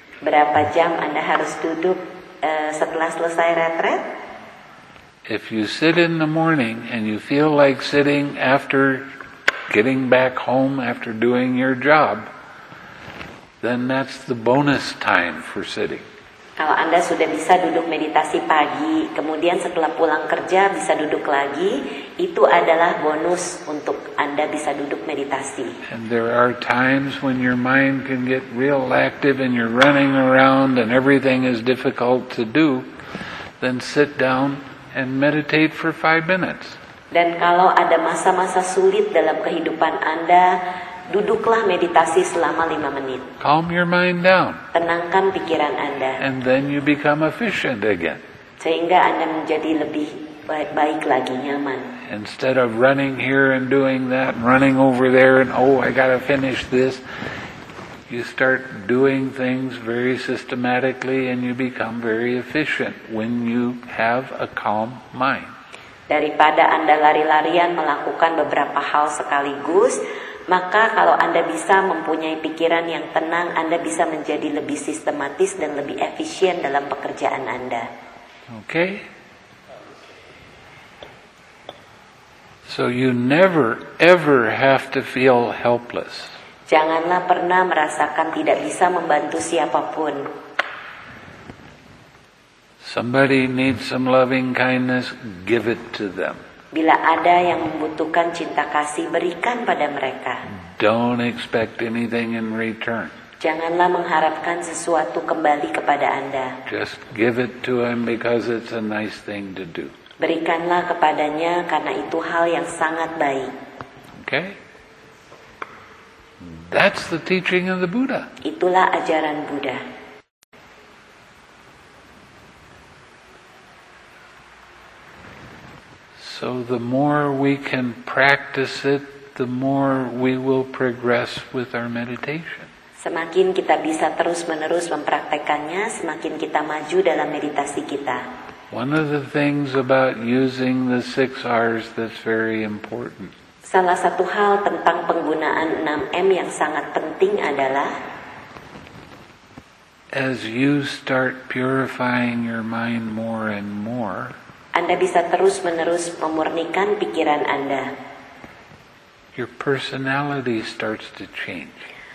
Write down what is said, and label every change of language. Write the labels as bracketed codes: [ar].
[id] Berapa jam Anda harus duduk setelah selesai retreat? [en] If you sit in the morning and you feel like sitting after getting back home after doing your job, then that's the bonus time for sitting. [id] Kalau Anda sudah bisa duduk meditasi pagi, kemudian setelah pulang kerja bisa duduk lagi, itu adalah bonus untuk Anda bisa duduk meditasi. [en] And there are times when your mind can get real active and you're running around and everything is difficult to do, then sit down and meditate for 5 minutes. [id] Dan kalau ada masa-masa sulit dalam kehidupan Anda, duduklah meditasi selama 5 menit. [en] Calm your mind down. [id] Tenangkan pikiran Anda. [en] And then you become efficient again. [id] Sehingga Anda menjadi lebih baik lagi, nyaman. [en] Instead of running here and doing that, running over there and oh, I gotta finish this, you start doing things very systematically and you become very efficient when you have a calm mind. [id] Daripada Anda lari-larian melakukan beberapa hal sekaligus, maka kalau Anda bisa mempunyai pikiran yang tenang, Anda bisa menjadi lebih sistematis dan lebih efisien dalam pekerjaan Anda. [en] Okay. So you never ever have to feel helpless. [id] Janganlah pernah merasakan tidak bisa membantu siapapun. [en] Somebody needs some loving kindness, give it to them. [id] Bila ada yang membutuhkan cinta kasih, berikan pada mereka. [en] Don't expect anything in return. [id] Janganlah mengharapkan sesuatu kembali kepada Anda. [en] Just give it to him because it's a nice thing to do. [id] Berikanlah kepadanya karena itu hal yang sangat baik. [en] Okay. That's the teaching of the Buddha. [id] Itulah ajaran Buddha. [en] So the more we can practice it, the more we will progress with our meditation. [id] Semakin kita bisa terus-menerus mempraktikkannya, semakin kita maju dalam meditasi kita. [en] One of the things about using the 6 R's that's very important. [id] Salah satu hal tentang penggunaan 6M yang sangat penting adalah [en] as you start purifying your mind more and more, [id] Anda bisa terus-menerus memurnikan pikiran Anda. [en] Your personality starts to change.